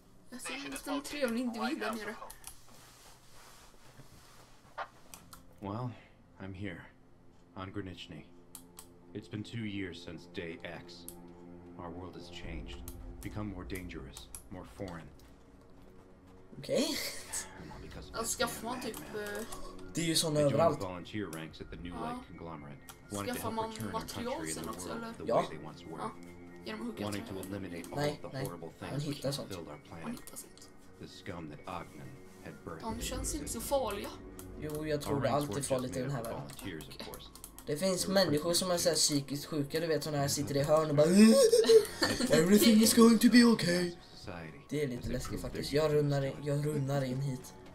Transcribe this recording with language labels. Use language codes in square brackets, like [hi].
[sv] Jag ser just en trevlig individ där nere. [en] Well, I'm here, on Granichny. It's been 2 years since day X. Our world has changed, become more dangerous, more foreign. [sv] Okej. Okay. Alltså, skaffar man typ... Det är ju sådana överallt. [en] Volunteer ranks at the new light conglomerate. [sv] Skaffar man material sen också, eller? Ja. Genom att hugga [en] ett eliminate all the horrible things that have filled our planet. The scum that Ogden had birthed. [sv] De känns inte så farliga. Jo, jag tror det alltid är farligt i den här världen. Okay. Det finns människor som är såhär psykiskt sjuka, du vet, sådana här sitter i hörn och bara [en] everything is going to be okay. [sv] Det är lite läskigt faktiskt. Jag runnar in hit.